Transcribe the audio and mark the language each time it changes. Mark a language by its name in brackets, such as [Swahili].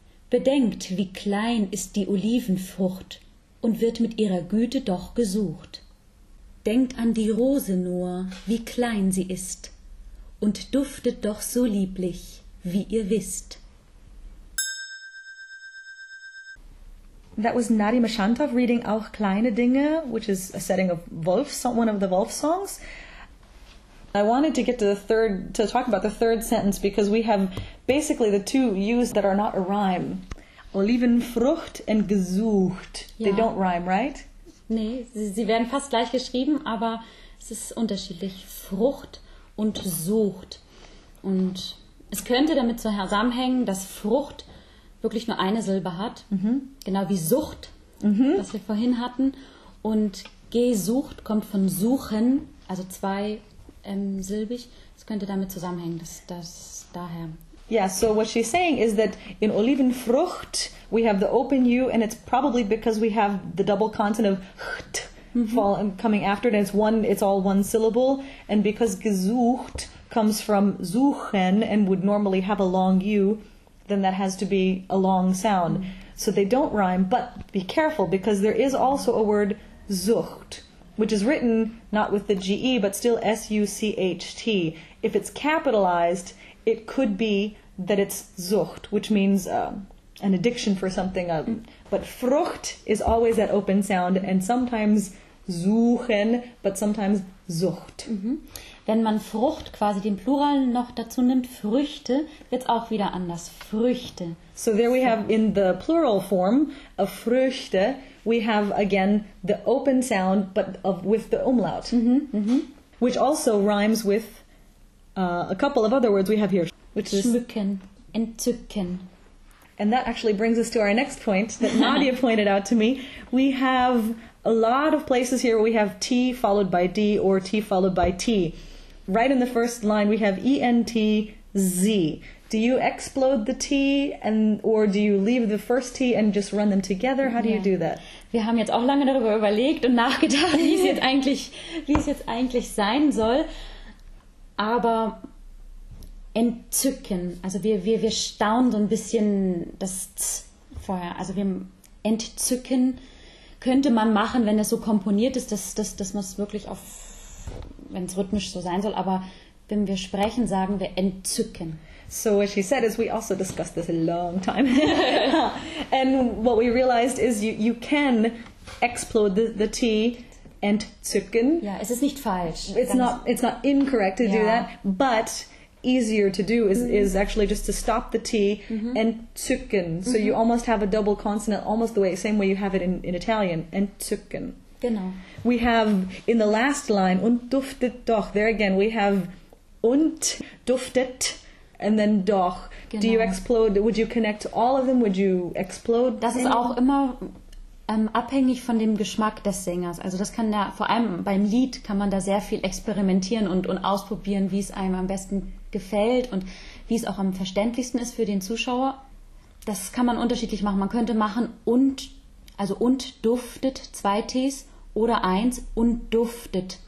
[German] Bedenkt, wie klein ist die Olivenfrucht und wird mit ihrer Güte doch gesucht. Denkt an die Rose nur, wie klein sie ist und duftet doch so lieblich, wie ihr wisst. [English] That was Nadia Maschantow reading Auch kleine Dinge, which is a setting of Wolf, one of the Wolf songs. I wanted to get to talk about the third sentence, because we have basically the two U's that are not a rhyme. Olivenfrucht and gesucht. Ja. They don't rhyme, right? [German] Nee, sie werden fast gleich geschrieben, aber es ist unterschiedlich. Frucht und sucht. Und es könnte damit zusammenhängen, dass Frucht wirklich nur eine Silbe hat. Mhm. Genau wie Sucht, was wir vorhin hatten. Und gesucht kommt von suchen, also zwei silbig. Es könnte damit zusammenhängen, dass daher. [English] Yeah, so what she's saying is that in Olivenfrucht we have the open U, and it's probably because we have the double consonant of ht coming after it, and it's all one syllable, and because gesucht comes from suchen and would normally have a long U, then that has to be a long sound. So they don't rhyme, but be careful, because there is also a word sucht, which is written not with the G-E, but still S-U-C-H-T. If it's capitalized, it could be that it's Sucht, which means an addiction for something. But Frucht is always that open sound, and sometimes Suchen, but sometimes Sucht. [German] Wenn man Frucht quasi den Plural noch dazu nimmt, Früchte, wird's auch wieder anders. Früchte. [English] So there we have, in the plural form of Früchte, we have again the open sound, but with the umlaut, which also rhymes with a couple of other words we have here, which is [German] schmücken, entzücken. [English] And that actually brings us to our next point that Nadia pointed out to me. We have a lot of places here where we have T followed by D or T followed by T. Right in the first line we have E-N-T-Z. Do you explode the T, and or do you leave the first T and just run them together? How do you do that? [German] Wir haben jetzt auch lange darüber überlegt und nachgedacht, wie es jetzt eigentlich sein soll. Aber entzücken, also wir staunen so ein bisschen das Z vorher. Also wir entzücken könnte man machen, wenn das so komponiert ist, dass man es wirklich auf, wenn es rhythmisch so sein soll, aber wenn wir sprechen, sagen wir entzücken. [English] So as she said, as we also discussed this a long time, and what we realized is you can explode the T, entzücken. [German] Ja, es ist nicht falsch. [English] It's not incorrect to do that, but easier to do is actually just to stop the T, entzücken. So you almost have a double consonant, almost the same way you have it in Italian, entzücken. [German] Genau. [English] We have in the last line, und duftet doch, there again we have und duftet and then doch. Genau. Do you explode, would you connect all of them, would you explode? [German] Das ist auch immer abhängig von dem Geschmack des Sängers. Also das kann da, vor allem beim Lied kann man da sehr viel experimentieren und ausprobieren, wie es einem am besten gefällt und wie es auch am verständlichsten ist für den Zuschauer. Das kann man unterschiedlich machen. Man könnte machen und, also und duftet zwei Tees oder eins und duftet.